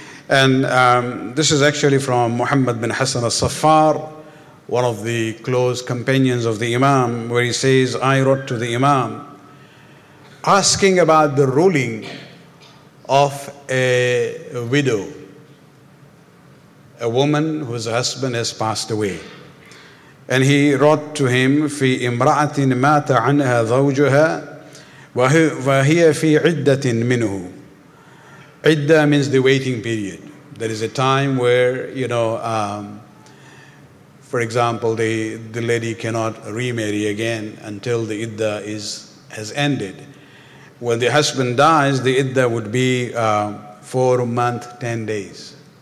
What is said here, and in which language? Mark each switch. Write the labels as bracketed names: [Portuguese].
[English] And this is actually from Muhammad bin Hassan al-Saffar, one of the close companions of the Imam, where he says, I wrote to the Imam asking about the ruling of a widow, a woman whose husband has passed away. And he wrote to him, [Arabic] في امرأة مات عنها زوجها وهي في عدة منه. [English] عدة means the waiting period. There is a time where, you know, for example, the lady cannot remarry again until the iddah has ended. When the husband dies, the iddah would be 4 months, 10 days.